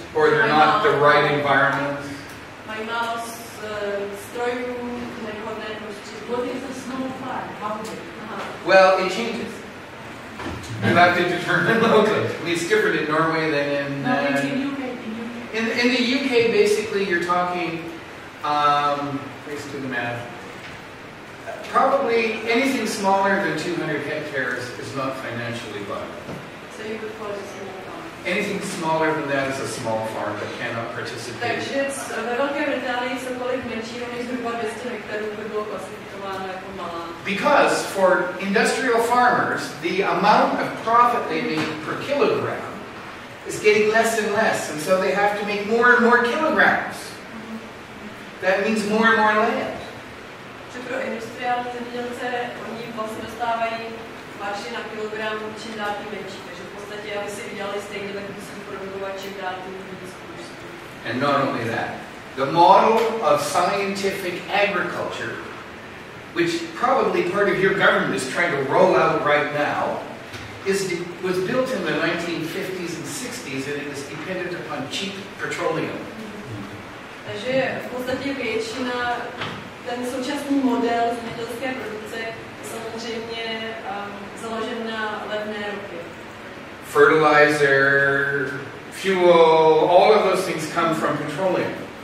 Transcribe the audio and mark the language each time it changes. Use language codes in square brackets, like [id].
[en] Or they're not the right environment. [cs] Mají málo strojů, nevhodné prostředí. [en] What is a small farm? How big? Well, it changes. You have to determine locally. I mean, it's different in Norway than in... No, it's in UK. In the UK, basically, you're talking... let's do the math. Probably anything smaller than 200 hectares is not financially viable. So you would call it a small farm. Anything smaller than that is a small farm that cannot participate. [cs] Takže ve Velké Británii cokoliv menšího než zhruba 200 hektarů by bylo klasifikováno jako malá. [en] Because for industrial farmers, the amount of profit they make per kilogram is getting less and less, and so they have to make more and more kilograms. That means more and more land. [cs] Že pro industriální zemědělce oni vlastně dostávají marži na kilogram čím dál tím menší. Takže v podstatě, aby si vydělali stejně, tak musí produkovat čím dál tím menší. [en] And not only that, the model of scientific agriculture, which probably part of your government is trying to roll out right now, was built in the 1950s and 60s, and it was dependent upon cheap petroleum. [cs] Takže v podstatě většina ten současný model zemědělské produkce je samozřejmě založen na levné ropě. [en] Fertilizer, fuel, all of those things come from petroleum.